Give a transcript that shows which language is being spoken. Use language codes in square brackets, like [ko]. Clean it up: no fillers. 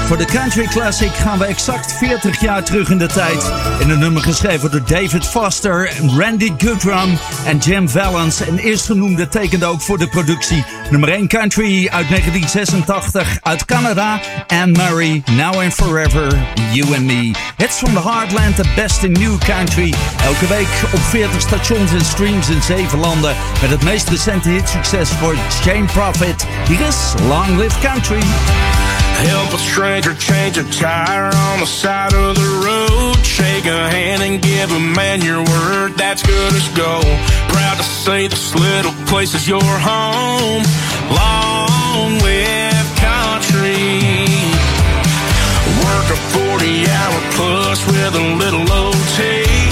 [nl] Country Classic gaan we exact 40 jaar terug in de tijd. In een nummer geschreven door David Foster, Randy Goodrum en Jim Vallance. En eerstgenoemde tekende ook voor de productie. Nummer 1 Country uit 1986 uit Canada. Anne Murray, Now and Forever, You and Me. [en] Hits from the Heartland, the best in new country. [nl] Elke week op 40 stations en streams in 7 landen. Met het meest recente hitsucces voor Jane Profit. Hier is Long Live Country. [en] Help a stranger change a tire on the side of the road. Shake a hand and give a man your word that's good as gold. Proud to say this little place is your home. Long live country. Work a 40-hour plus with a little OT.